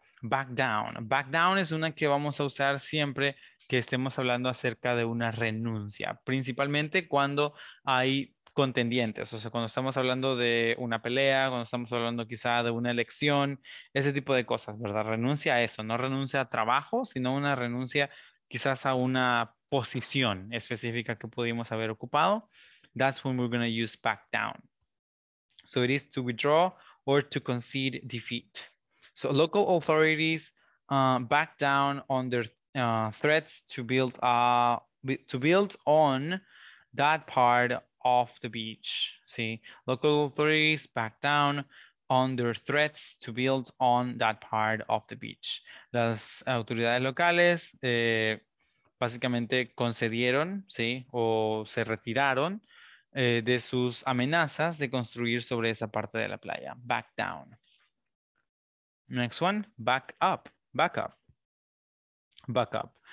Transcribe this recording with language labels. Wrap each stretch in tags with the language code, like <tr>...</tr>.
<es>Back down es una que vamos a usar siempre que estemos hablando acerca de una renuncia, principalmente cuando hay contendientes, o sea, cuando estamos hablando de una pelea, cuando estamos hablando quizá de una elección, ese tipo de cosas, ¿verdad? Renuncia a eso, no renuncia a trabajo, sino una renuncia quizás a una posición específica que pudimos haber ocupado.</es> <en>That's when we're going to use back down. So it is to withdraw or to concede defeat. So local authorities back down on their threats to build on that part off the beach, sí. Local authorities back down on their threats to build on that part of the beach.</en> <es>Las autoridades locales básicamente concedieron, sí, o se retiraron de sus amenazas de construir sobre esa parte de la playa.</es> <en>Back down. Next one, back up. Back up. Back up.</en>